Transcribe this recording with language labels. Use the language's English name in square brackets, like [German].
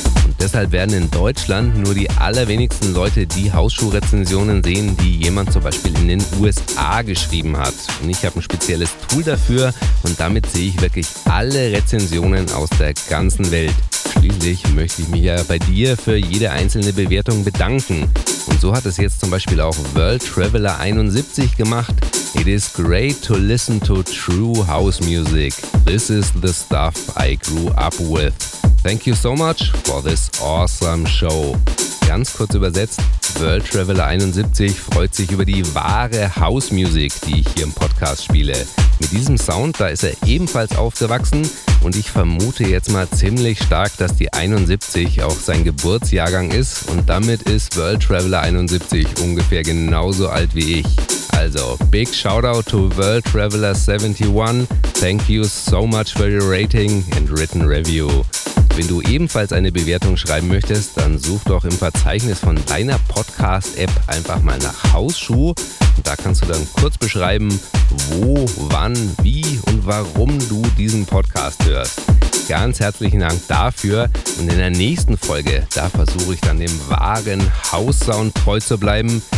[German] Und deshalb werden in Deutschland nur die allerwenigsten Leute die Hausschuhrezensionen sehen, die jemand zum Beispiel in den USA geschrieben hat. Und ich habe ein spezielles Tool dafür und damit sehe ich wirklich alle Rezensionen aus der ganzen Welt. Schließlich möchte ich mich ja bei dir für jede einzelne Bewertung bedanken. Und so hat es jetzt zum Beispiel auch World Traveler 71 gemacht. [English] It is great to listen to true house music. This is the stuff I grew up with. Thank you so much for this awesome show. [German] Ganz kurz übersetzt, World Traveler 71 freut sich über die wahre House Music, die ich hier im Podcast spiele. Mit diesem Sound, da ist er ebenfalls aufgewachsen und ich vermute jetzt mal ziemlich stark, dass die 71 auch sein Geburtsjahrgang ist und damit ist World Traveler 71 ungefähr genauso alt wie ich. [English] Also, big shoutout to World Traveler 71. Thank you so much for your rating and written review. [German] Wenn du ebenfalls eine Bewertung schreiben möchtest, dann such doch im Verzeichnis von deiner Podcast-App einfach mal nach Hausschuh. Und da kannst du dann kurz beschreiben, wo, wann, wie und warum du diesen Podcast hörst. Ganz herzlichen Dank dafür. Und in der nächsten Folge, da versuche ich dann dem wahren Haussound treu zu bleiben.